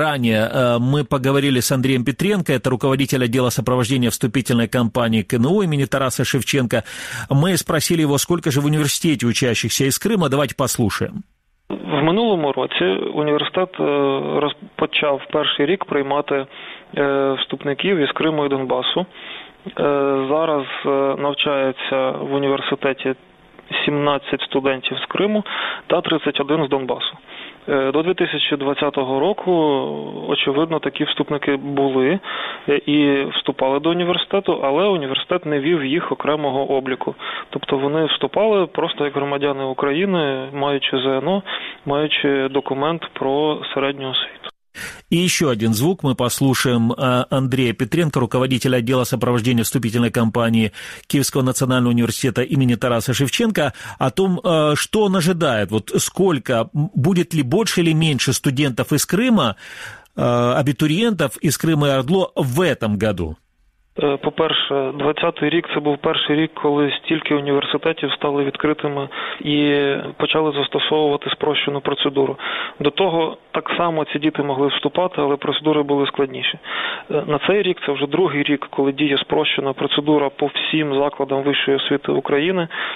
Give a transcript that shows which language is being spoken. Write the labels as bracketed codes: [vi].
[ru] Ранее мы поговорили с Андреем Петренко, это руководитель отдела сопровождения вступительной кампании КНУ имени Тараса Шевченко. Мы спросили его, сколько же в университете учащихся из Крыма. Давайте послушаем. [uk] В минулому році університет розпочав перший рік приймати вступників із Криму і Донбасу. Зараз навчається в університеті 17 студентів з Криму та 31 з Донбасу. До 2020 року, очевидно, такі вступники були і вступали до університету, але університет не вів їх окремого обліку. Тобто вони вступали просто як громадяни України, маючи ЗНО, маючи документ про середню освіту. [ru] И еще один звук мы послушаем Андрея Петренко, руководителя отдела сопровождения вступительной кампании Киевского национального университета имени Тараса Шевченко, о том, что он ожидает, вот сколько, будет ли больше или меньше студентов из Крыма, абитуриентов из Крыма и Ордло в этом году. [uk] По-перше, 20-й рік – це був перший рік, коли стільки університетів стали відкритими і почали застосовувати спрощену процедуру. До того так само ці діти могли вступати, але процедури були складніші. На цей рік – це вже другий рік, коли діє спрощена процедура по всім закладам вищої освіти України.